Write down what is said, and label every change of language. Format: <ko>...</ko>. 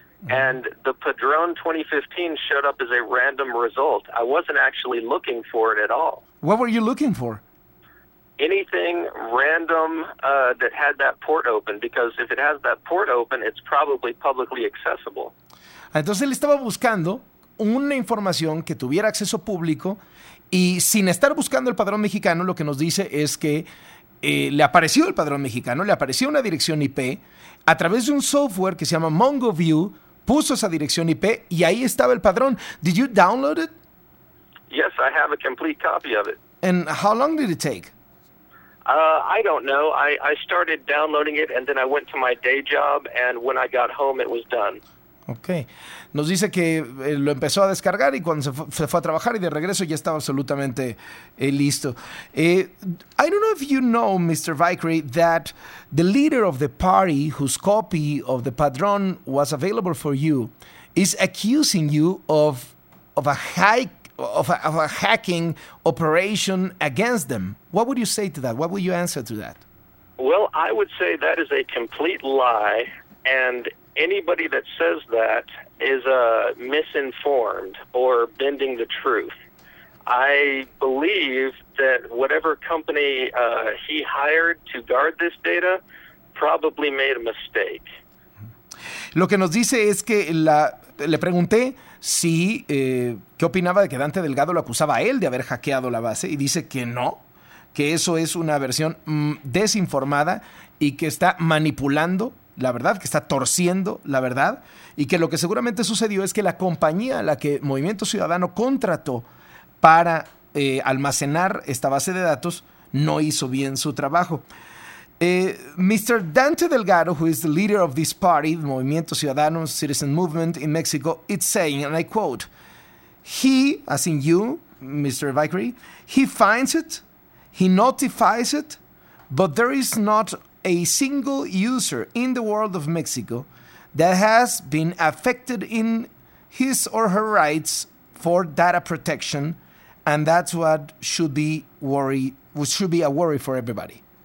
<en>And the Padrón 2015 showed up as a random result. I wasn't actually looking for it at all. What were you looking for? Anything random that had that port open, because if it has that port open, it's probably publicly accessible.</en> <es>Entonces, él estaba buscando una información que tuviera acceso público. Y sin estar buscando el padrón mexicano, lo que nos dice es que le apareció el padrón mexicano, le apareció una dirección IP a través de un software que se llama MongoView, puso esa dirección IP y ahí estaba el padrón.</es> <en>Did you download it? Yes, I have a complete copy of it. And how long did it take? I don't know. I started downloading it and then I went to my day job and when I got home it was done. Okay.</en> <es>Nos dice que lo empezó a descargar y cuando se fue a trabajar y de regreso ya estaba absolutamente listo.</es> <en>I don't know if you know, Mr. Vickery, that the leader of the party whose copy of the padrón was available for you is accusing you of a hacking operation against them. What would you say to that? What would you answer to that? Well, I would say that is a complete lie and anybody that says that is misinformed or bending the truth. I believe that whatever company he hired to guard this data probably made a mistake.</en> <es>Lo que nos dice es que le pregunté si qué opinaba de que Dante Delgado lo acusaba a él de haber hackeado la base y dice que no, que eso es una versión desinformada y que está manipulando la verdad, que está torciendo la verdad y que lo que seguramente sucedió es que la compañía a la que Movimiento Ciudadano contrató para almacenar esta base de datos no hizo bien su trabajo.</es> <en>Mr. Dante Delgado, who is the leader of this party, Movimiento Ciudadano, Citizen Movement in Mexico, it's saying, and I quote, he, as in you, Mr. Vickery, he finds it, he notifies it, but there is not a single user in the world of Mexico that has been affected in his or her rights for data protection, and that's what should be a worry for everybody.</en>